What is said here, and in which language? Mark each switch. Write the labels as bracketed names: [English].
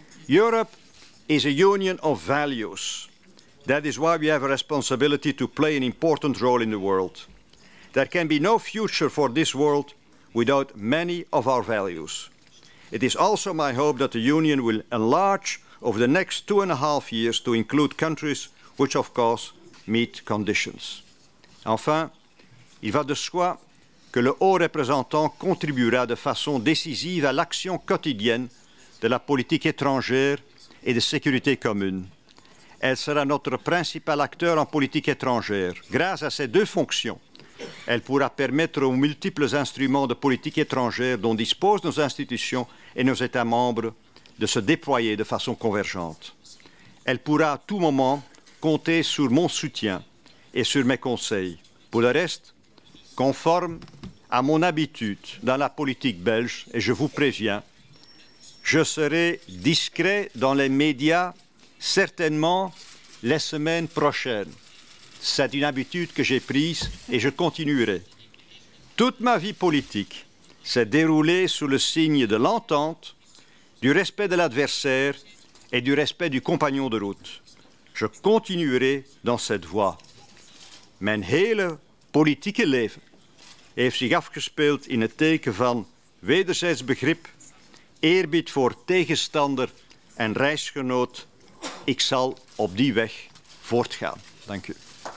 [English] Europe is a union of values. That is why we have a responsibility to play an important role in the world. There can be no future for this world without many of our values. It is also my hope that the Union will enlarge over the next 2.5 years to include countries which, of course, meet conditions. [French] Enfin, il va de soi que le haut représentant contribuera de façon décisive à l'action quotidienne de la politique étrangère et de sécurité commune. Elle sera notre principal acteur en politique étrangère. Grâce à ces deux fonctions, elle pourra permettre aux multiples instruments de politique étrangère dont disposent nos institutions et nos États membres de se déployer de façon convergente. Elle pourra à tout moment compter sur mon soutien et sur mes conseils. Pour le reste, conforme à mon habitude dans la politique belge, et je vous préviens, je serai discret dans les médias certainement les semaines prochaines. C'est une habitude que j'ai prise et je continuerai. Toute ma vie politique s'est déroulée sous le signe de l'entente, du respect de l'adversaire et du respect du compagnon de route. Je continuerai dans cette voie. [Dutch] Mijn hele politieke leven heeft zich afgespeeld in het teken van wederzijds begrip, eerbied voor tegenstander en reisgenoot. Ik zal op die weg voortgaan. Dank u.